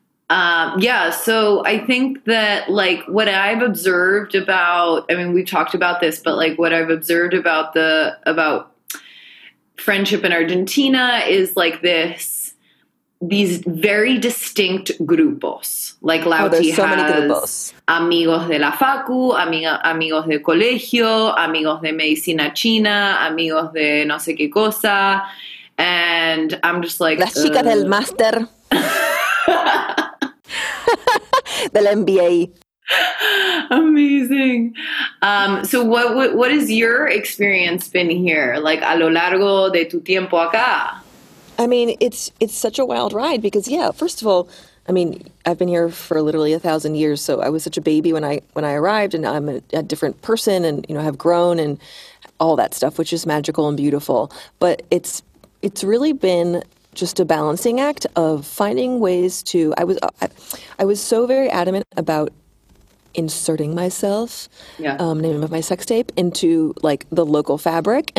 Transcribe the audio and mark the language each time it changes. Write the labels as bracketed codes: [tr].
[en] So I think that, like, what I've observed about, I mean, we've talked about this, but, like, what I've observed about about friendship in Argentina is, like, these very distinct grupos, like Lauti has many grupos. [es] Amigos de la facu, amigos de colegio, amigos de medicina china, amigos de no sé qué cosa. [en] And I'm just like, [es] la chica del master. Del MBA. [en] Amazing. So what has your experience been here? [es] Like a lo largo de tu tiempo acá? [en] I mean, it's such a wild ride because, yeah, first of all, I mean, I've been here for literally 1,000 years, so I was such a baby when I arrived, and I'm a different person and, you know, have grown and all that stuff, which is magical and beautiful. But it's really been just a balancing act of finding ways to – I was so very adamant about inserting myself, name of my sex tape, into like the local fabric.